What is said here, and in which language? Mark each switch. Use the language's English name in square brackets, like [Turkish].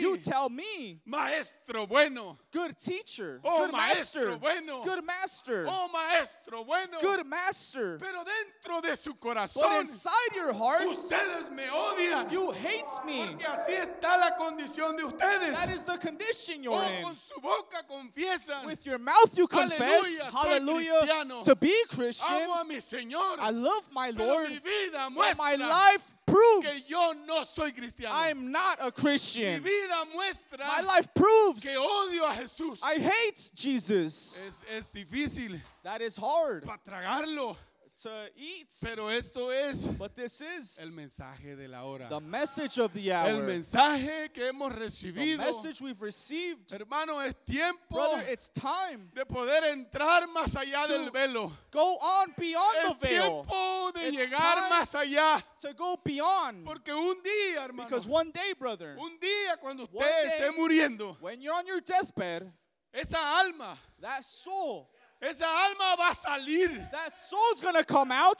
[English] you tell me, [Spanish] maestro bueno, [English] good teacher, oh, good [Spanish] maestro [English] master, [Spanish] bueno, [English] good master, [Spanish] oh, maestro bueno, [English] good master, [Spanish] pero dentro de su corazón, [English] but inside your heart, [Spanish] ustedes me odian, [English] you hate me, [Spanish] porque así está la condición de ustedes, [English] that is the condition you're in. [Spanish] Con su boca confiesa. [English] With your mouth you confess, [Spanish] hallelujah, [English] hallelujah, [Spanish] cristiano, [English] to be Christian. [Spanish] Amo a mi Señor, [English] I love my Lord, [Spanish] mi vida [English] but my life proves [Spanish] que yo no soy cristiano. [English] I'm not a Christian. [Spanish] Mi vida muestra, [English] my life proves [Spanish] que odio a Jesús. [English] I hate Jesus. [Spanish] Es difícil, [English] that is hard [Spanish] para tragarlo, [English] to eat. [Spanish] Pero esto es, [English] but this is [Spanish] el mensaje de la hora, [English] the message of the hour, [Spanish] el mensaje que hemos recibido, [English] the message we've received. [Spanish] Hermano, es tiempo, [English] brother, it's time [Spanish] de poder entrar más allá del velo, [English] go on beyond [Spanish] el [English] the veil, [Spanish] tiempo de [English] it's [Spanish] llegar [English] time [Spanish] más allá, [English] to go beyond, [Spanish] porque un día, hermano, [English] because one day, brother, [Spanish] un día cuando usted esté muriendo, [English] when you're on your deathbed, [Spanish] esa alma, [English] that soul, [Spanish] Esa alma va a salir. [English] That soul's gonna come out.